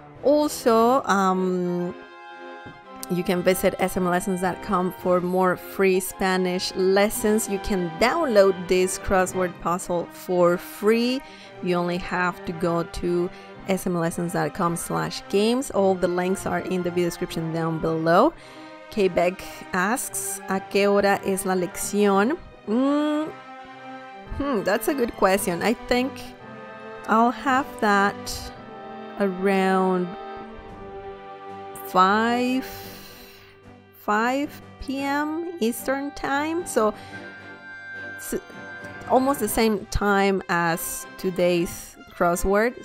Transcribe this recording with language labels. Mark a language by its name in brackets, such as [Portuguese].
[English] Also, you can visit smlessons.com for more free Spanish lessons. You can download this crossword puzzle for free. You only have to go to smlessons.com/games. All the links are in the video description down below. Beck asks, [Spanish] ¿a qué hora es la lección? [English] That's a good question. I think I'll have that around 5 p.m. Eastern time, so it's almost the same time as today's crossword.